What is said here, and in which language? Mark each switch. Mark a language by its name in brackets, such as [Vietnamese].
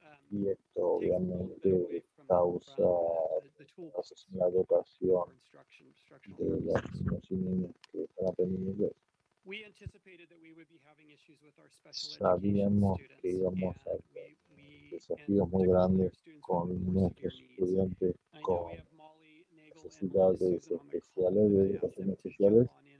[Spanish] Y esto obviamente causa la educación de las niñas que están aprendiendo inglés. [English] We anticipated that we would be having issues with our special [Spanish] Sabíamos que íbamos a tener desafíos muy grandes con nuestros estudiantes con necesidades especiales, de educación especiales.